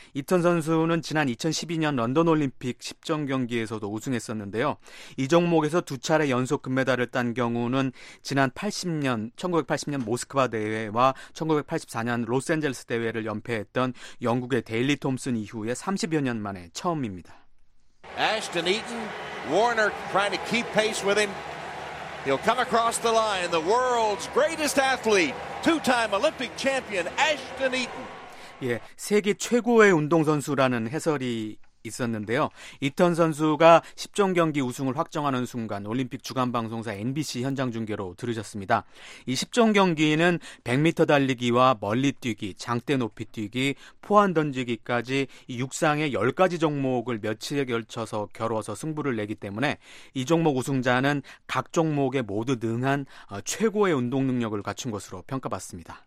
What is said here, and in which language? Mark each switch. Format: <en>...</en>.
<ko>이튼 선수는 지난 2012년 런던 올림픽 10종 경기에서도 우승했었는데요. 이 종목에서 두 차례 연속 금메달을 딴 경우는 지난 1980년 모스크바 대회와 1984년 로스앤젤레스 대회를 연패했던 영국의 데일리 톰슨 이후에 30여 년 만에 처음입니다.</ko> <en>Ashton Eaton, Warner trying to keep pace with him. He'll come across the line. The world's greatest athlete, two-time Olympic champion Ashton Eaton.</en> <ko>예, 세계 최고의 운동 선수라는 해설이 있었는데요. 이턴 선수가 10종 경기 우승을 확정하는 순간 올림픽 주간 방송사 NBC 현장 중계로 들으셨습니다. 이 10종 경기는 100m 달리기와 멀리 뛰기, 장대 높이 뛰기, 포환 던지기까지 육상의 10가지 종목을 며칠에 걸쳐서 겨루어서 승부를 내기 때문에 이 종목 우승자는 각 종목에 모두 능한 최고의 운동 능력을 갖춘 것으로 평가받습니다.</ko>